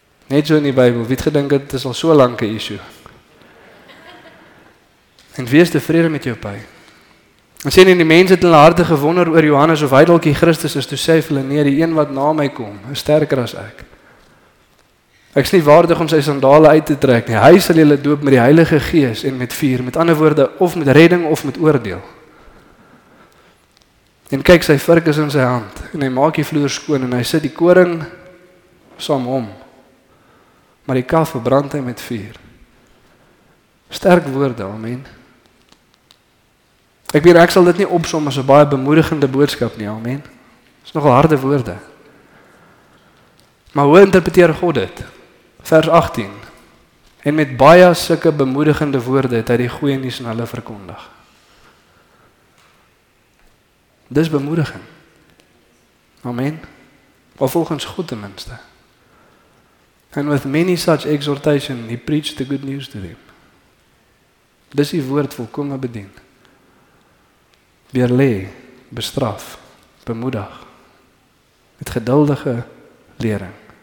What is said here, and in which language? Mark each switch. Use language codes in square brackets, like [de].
[af] Net so in die Bybel, wie het gedink het, dit is al so lank 'n issue. En wees tevrede met jou pyn. En sê nie die mense het hulle harte gewonder oor Johannes of hy dalk die Christus is, toe sê hulle nee, die een wat na my kom, is sterker as ek. Ek is nie waardig om sy sandale uit te trek nie. Hy sal julle doop met die Heilige Gees en met vuur, met ander woorde, of met redding of met oordeel. En kyk, sy vurk is in sy hand en hy maak die vloer skoon en hy sit die koring saam om. Maar die kaf verbrand hy met vuur. Sterk woorde, amen. Ek weet, ek sal dit nie opsom as 'n baie bemoedigende boodskap nie, amen. Dit is nogal harde woorde. Maar hoe interpreteer God dit? Vers 18. En met baie sulke bemoedigende woorde het hy die goeie nuus aan hulle verkondig. Dis bemoediging. Amen. Maar volgens God ten minste. [en] And with many such exhortation, he preached the good news to them. [af] Dis die woord volkome bedien. Weerle, bestraf, bemoedig, met geduldige lering.